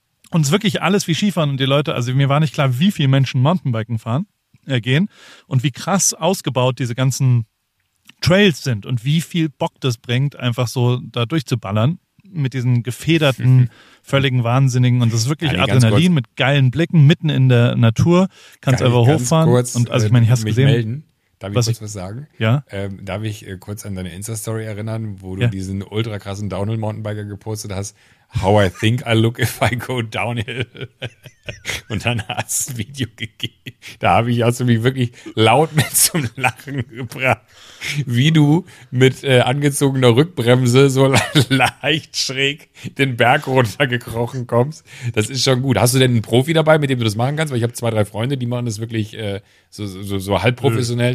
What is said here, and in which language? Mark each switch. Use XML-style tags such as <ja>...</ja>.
<de>Und es ist wirklich alles wie Skifahren und die Leute, also mir war nicht klar, wie viele Menschen Mountainbiken fahren, gehen und wie krass ausgebaut diese ganzen Trails sind und wie viel Bock das bringt, einfach so da durchzuballern mit diesen gefederten, völligen Wahnsinnigen. Und das ist wirklich Adrenalin mit geilen Blicken, mitten in der Natur, kannst einfach hochfahren. Kurz, und also ich meine, ich hast gesehen. Melden. Darf ich kurz was sagen? Ja. Darf ich kurz an deine Insta-Story erinnern, wo du diesen ultra krassen Downhill-Mountainbiker gepostet hast?</de> <en>How I think I look if I go downhill.</en> <de>Und dann hast du das Video gegeben. Da habe ich also mich wirklich laut mit zum Lachen gebracht. Wie du mit angezogener Rückbremse so leicht schräg den Berg runtergekrochen kommst. Das ist schon gut. Hast du denn einen Profi dabei, mit dem du das machen kannst? Weil ich habe 2, 3 Freunde, die machen das wirklich so halbprofessionell.</de>